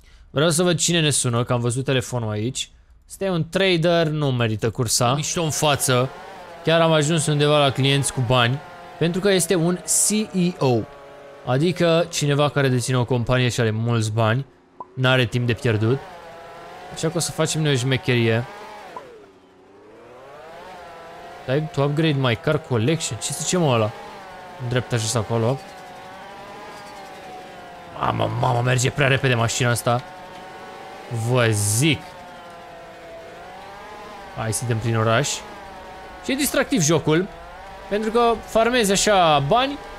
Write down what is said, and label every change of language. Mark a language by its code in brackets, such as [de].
[ro] Vreau să văd cine ne sună, că am văzut telefonul aici. Stai un trader, nu merită cursa. Mișto în față. Chiar am ajuns undeva la clienți cu bani. Pentru că este un CEO. Adică cineva care deține o companie și are mulți bani. N-are timp de pierdut. Așa că o să facem noi o șmecherie. [en] Time to upgrade my car collection. [ro] Ce zice mă ăla? Drept așa acolo. Mamă, mamă, merge prea repede mașina asta. Vă zic. Hai să dăm prin oraș. Și e distractiv jocul. Pentru că farmezi așa bani.